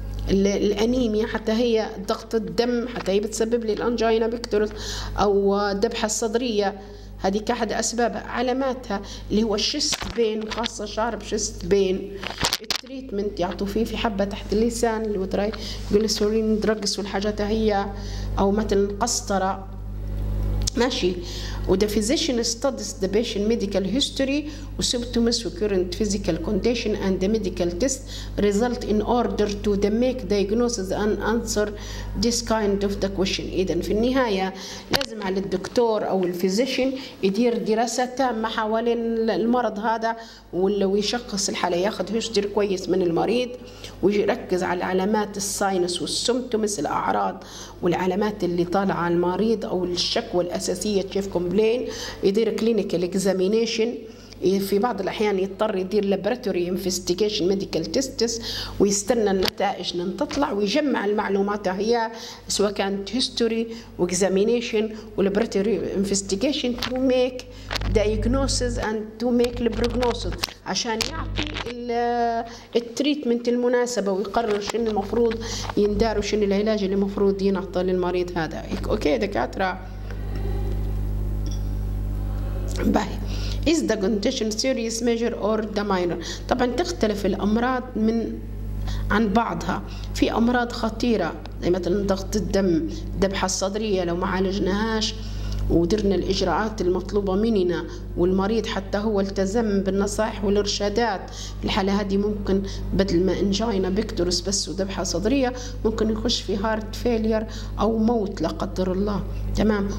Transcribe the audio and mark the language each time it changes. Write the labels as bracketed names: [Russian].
[Arabic] الأنيميا حتى هي ضغط الدم حتى هي بتسبب لي الأنجينا بيكتورس، أو دبحة صدرية، هذه كأحد أسباب علاماتها اللي هو الشست بين، خاصة شعر بشست بين. التريتمنت يعطوا فيه في حبة تحت اللسان اللي وتراي جلسورين درجس والحاجات هي، أو مثل القسطرة ماشي. [English] وده physician studies the patient medical history and symptoms and current physical condition and the medical test result in order to the make diagnosis and answer this kind of the question. [Arabic] إذن في النهاية لازم على الدكتور أو الفيزيشن يدير دراسة تامة حوالين المرض هذا، ولو يشخص الحالة ياخد هيستوري كويس من المريض ويركز على علامات الساينس والسمتومس الأعراض والعلامات اللي طالعة على المريض أو الشكوى الأساسية تشيف كومبلين، يدير كلينيكال اكزامينيشن. في بعض الأحيان يضطر يدير لابراتوري انفستيجيشن ميديكال تيستس ويستنى النتائج لين تطلع ويجمع المعلومات، هي سواء كانت هيستوري واكزامينيشن ولابراتوري انفستيجيشن [English] to make diagnosis and to make البروجنوسيس [Arabic] عشان يعطي التريتمنت المناسبة ويقرر شنو المفروض يندار وشنو العلاج اللي المفروض ينعطى للمريض هذا. اوكي دكاترة باي. [English] Is the condition serious, major or the minor؟ [Arabic] طبعا تختلف الأمراض من عن بعضها. في أمراض خطيرة زي مثلا ضغط الدم، الذبحة الصدرية لو ما عالجناهاش ودرنا الإجراءات المطلوبة مننا والمريض حتى هو التزم بالنصائح والإرشادات، الحالة هذه ممكن بدل ما انجينا بيكتورس بس وذبحة صدرية ممكن يخش في هارت فيلير أو موت لا قدر الله، تمام.